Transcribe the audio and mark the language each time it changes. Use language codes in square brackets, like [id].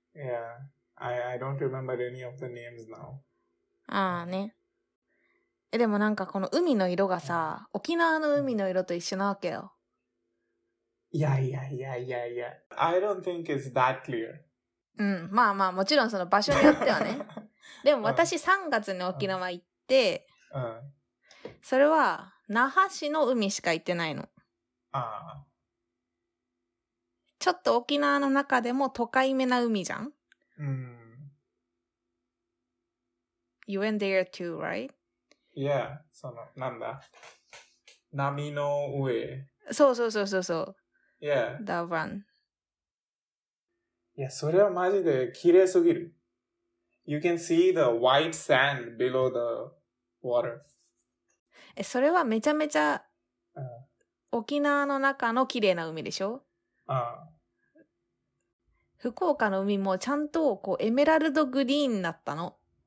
[en] Yeah, I don't remember any of the names now. [ja] ああね。え、でもなんかこの海の色がさ、沖縄の海の色と一緒なわけよ。 [en] I don't think it's that clear. [ja] うん、まあまあ、もちろんその場所によってはね。でも私3月に沖縄行って、それは、那覇市の海しか行ってないの。ああ。ちょっと沖縄の中でも都会めな海じゃん。うん。 [en] You went there too, right? [ja] Yeah, その、なんだ。波の上。そうそうそうそうそう。 [en] Yeah. The one. [ja] いや、それはマジで綺麗すぎる。 [en] You can see the white sand below the water. [ja] え、それはめちゃめちゃ沖縄の中の綺麗な海でしょ？福岡の海もちゃんとこうエメラルドグリーンだったの。